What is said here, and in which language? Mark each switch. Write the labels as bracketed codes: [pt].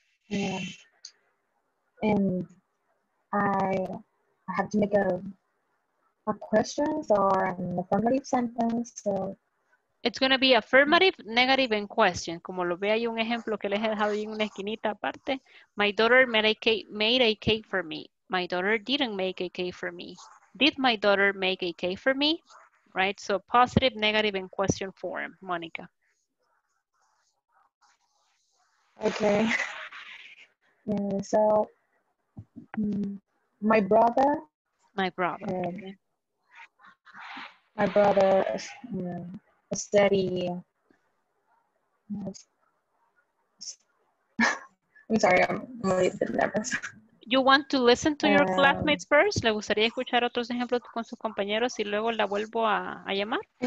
[en] I have to make a question or an affirmative sentence. So it's going to be affirmative, negative, and question. [es] Como lo ve, hay un ejemplo que les he dejado en una esquinita aparte. [en] My daughter made a cake for me. My daughter didn't make a cake for me. Did my daughter make a cake for me? Right? So positive, negative, and question form, Monica. Okay. So my brother. My brother. My brother studied. I'm sorry, I'm a little bit nervous. You want to listen to your classmates first? [es] ¿Le gustaría escuchar otros ejemplos con sus compañeros y luego la vuelvo a llamar?